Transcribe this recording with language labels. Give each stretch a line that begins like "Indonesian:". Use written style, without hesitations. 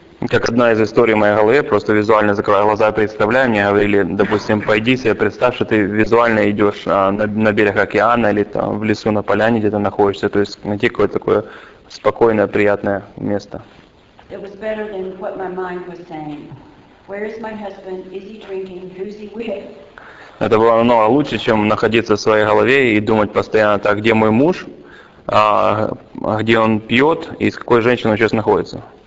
Russian: Как одна из историй в моей голове, просто визуально закрываю глаза, представляю, мне говорили, допустим, пойди себе, представь, что ты визуально идешь на берег океана или там в лесу, на поляне, где ты находишься, то есть найти какое-то такое спокойное, приятное место.
English: It was better than what my mind was saying. Where is my husband? Is he drinking? Who's he with?
Russian: Это было намного лучше, чем находиться в своей голове и думать постоянно так, где мой муж, где он пьет и с какой женщиной он сейчас находится.